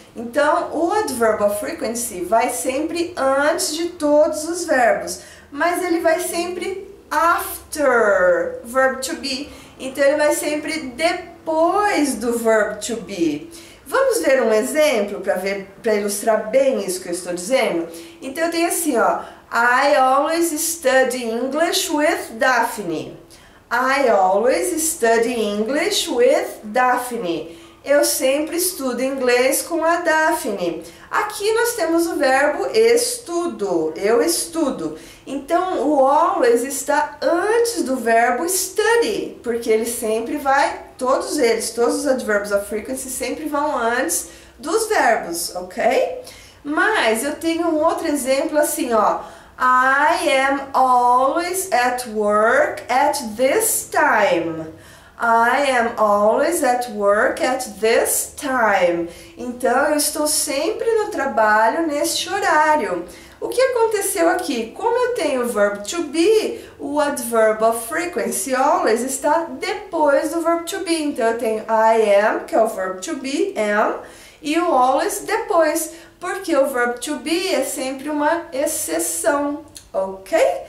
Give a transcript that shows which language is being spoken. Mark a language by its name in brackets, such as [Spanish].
[Portuguese] Então, o adverb of frequency vai sempre antes de todos os verbos, mas ele vai sempre [English] after verb to be. [Portuguese] Então, ele vai sempre depois do verb to be. Vamos ver um exemplo para ilustrar bem isso que eu estou dizendo? Então, eu tenho assim, ó. [English] I always study English with Daphne. I always study English with Daphne. [Portuguese] Eu sempre estudo inglês com a Daphne. Aqui nós temos o verbo estudo. Eu estudo. Então, o always está antes do verbo study, porque ele sempre vai... Todos eles, todos os adverbs of frequency sempre vão antes dos verbos, ok? Mas eu tenho um outro exemplo assim, ó. [English] I am always at work at this time. I am always at work at this time. [Portuguese] Então, eu estou sempre no trabalho neste horário. O que aconteceu aqui? Como eu tenho o verbo to be, o adverb of frequency always está depois do verbo to be. Então, eu tenho [English] I am, [Portuguese] que é o verbo to be, am, e o always depois, porque o verbo to be é sempre uma exceção, ok?